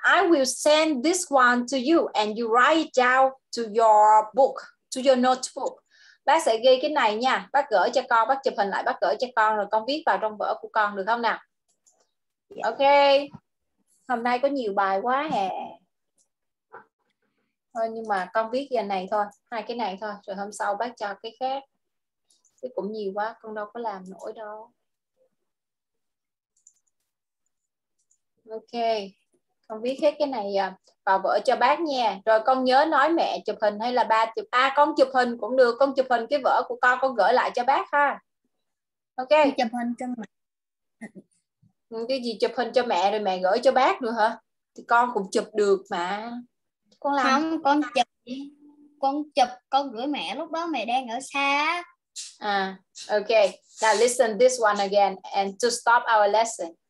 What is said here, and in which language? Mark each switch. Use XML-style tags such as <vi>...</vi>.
<en>I will send this one to you and you write down to your book, to your notebook.</en> <vi>Bác sẽ ghi cái này nha. Bác gửi cho con, bác chụp hình lại, bác gửi cho con rồi con viết vào trong vở của con được không nào? Okay. Hôm nay có nhiều bài quá hè. Thôi nhưng mà con viết giờ này thôi, hai cái này thôi, rồi hôm sau bác cho cái khác. Cái cũng nhiều quá, con đâu có làm nổi đâu. Ok, con viết hết cái này vào vở cho bác nha. Rồi con nhớ nói mẹ chụp hình hay là ba chụp. À con chụp hình cũng được, con chụp hình cái vở của con gửi lại cho bác ha. Ok. Chụp hình cho mẹ. Cái gì chụp hình cho mẹ rồi mẹ gửi cho bác nữa hả? Thì con cũng chụp được mà. Con làm. Không, con chụp con gửi mẹ lúc đó mẹ đang ở xa. À, okay.</vi> <en>Now listen this one again and to stop our lesson.</en>